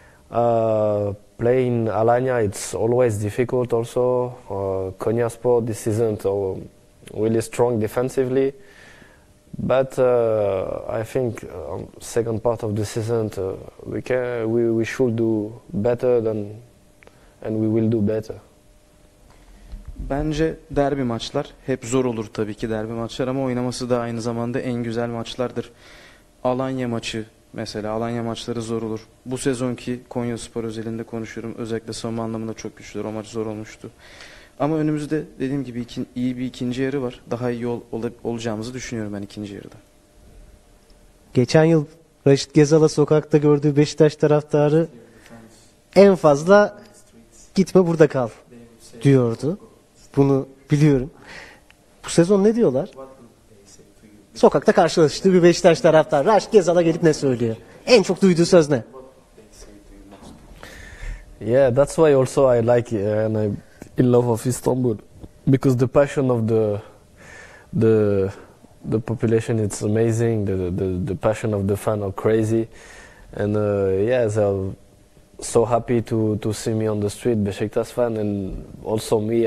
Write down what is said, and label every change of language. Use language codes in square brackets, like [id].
[en] Playing Alanya, it's always difficult also. Konyaspor this season, so really strong defensively. But I think second part of the season, we should do better and we will do better. [tr] Bence derbi maçlar hep zor olur tabii ki derbi maçlar, ama oynaması da aynı zamanda en güzel maçlardır. Alanya maçı mesela, Alanya maçları zor olur. Bu sezonki Konyaspor özelinde konuşuyorum. Özellikle savunma anlamında çok güçlüler. O maç zor olmuştu. Ama önümüzde dediğim gibi iyi bir ikinci yarı var. Daha iyi olacağımızı düşünüyorum ben ikinci yarıda. Geçen yıl Raşit Gezal'a sokakta gördüğü Beşiktaş taraftarı en fazla gitme burada kal diyordu. Bunu biliyorum. Bu sezon ne diyorlar? Sokakta karşılaştığı bir Beşiktaş taraftar Raşit Gezal'a gelip ne söylüyor? En çok duyduğu söz ne? [en] Yeah, that's why also I like and I'm in love of Istanbul, because the passion of the population, it's amazing. The passion of the fan are crazy, and they're so happy to see me on the street, Beşiktaş fan, and also me.